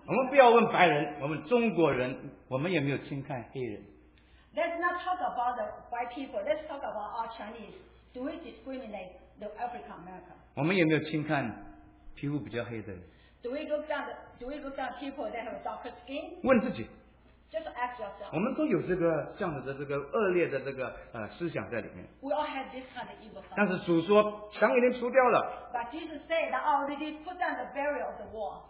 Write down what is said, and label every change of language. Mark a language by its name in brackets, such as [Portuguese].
[Chinese] 我们不要问白人，我们中国人，我们也没有轻看黑人。 [English] Let's not talk about the white people. Let's talk about our Chinese. Do we discriminate the African American? [Chinese] 我们有没有轻看皮肤比较黑的人？ [English] Do we look down people that have darker skin? [Chinese] 问自己。 [English] Just ask yourself. [Chinese] 我们都有这个这样的恶劣的思想在里面。 [English] We all have this kind of evil thought. [Chinese] 但是主说墙已经除掉了。 [English] But Jesus said that already put down the barrier of the wall.